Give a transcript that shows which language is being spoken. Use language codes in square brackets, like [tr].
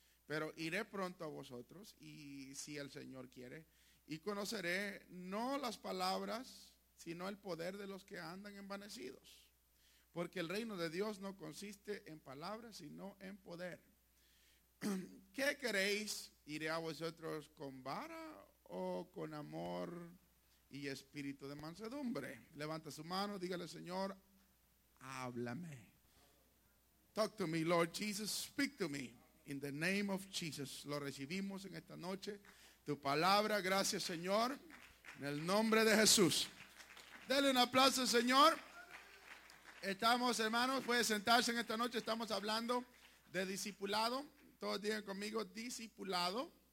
[es] Pero iré pronto a vosotros, y si el Señor quiere, y conoceré no las palabras, sino el poder de los que andan envanecidos. Porque el reino de Dios no consiste en palabras, sino en poder. ¿Qué queréis? ¿Iré a vosotros con vara o con amor y espíritu de mansedumbre? Levanta su mano, dígale: Señor, háblame. [en] Talk to me, Lord Jesus, speak to me. In the name of Jesus, [es] lo recibimos en esta noche. Tu palabra, gracias, Señor, en el nombre de Jesús. Dele un aplauso, Señor. Estamos, hermanos, puede sentarse en esta noche. Estamos hablando de discipulado. Todos digan conmigo: discipulado.